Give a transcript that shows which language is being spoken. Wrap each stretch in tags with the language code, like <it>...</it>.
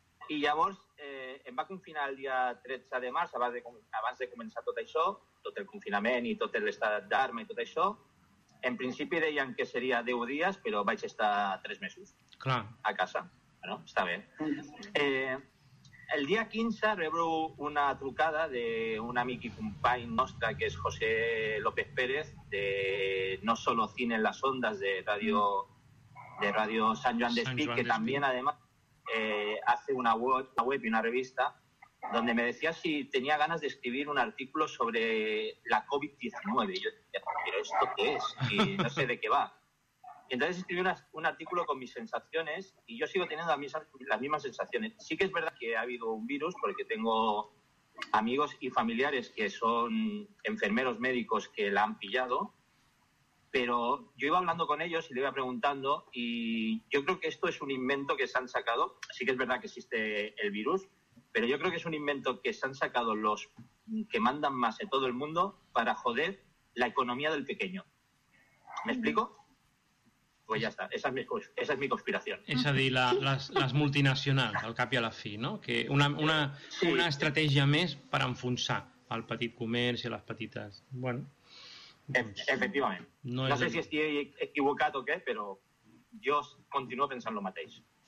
<ca>I llavors em va confinar el dia 13 de març, abans de començar tot això, tot el confinament i tot l'estat d'arma i tot això. En principi deien que seria 10 dies, però vaig estar 3 mesos clar a casa. Bueno, està bé. El dia 15 rebro una trucada d'un amic i company nostre, que és</ca> <es>José López Pérez, de No Solo Cine en las Ondas, de Radio San Joan Despí, que también, además, hace una web y una revista, donde me decía si tenía ganas de escribir un artículo sobre la COVID-19. Y yo decía, ¿pero esto qué es? Y no sé de qué va. Y entonces escribí un artículo con mis sensaciones, y yo sigo teniendo las mismas sensaciones. Sí que es verdad que ha habido un virus, porque tengo amigos y familiares que son enfermeros médicos que la han pillado, pero yo iba hablando con ellos y le iba preguntando, y yo creo que esto es un invento que se han sacado. Sí que es verdad que existe el virus, pero yo creo que es un invento que se han sacado los que mandan más en todo el mundo para joder la economía del pequeño. ¿Me explico? Pues ya está, esa es mi conspiración.</es> <ca>És a dir, les multinacionals, al cap i a la fi, no? Que una estratègia més per enfonsar el petit comerç i les petites... Bueno, efectivament. No sé si estic equivocat o què, però jo continuo pensant el mateix.</ca>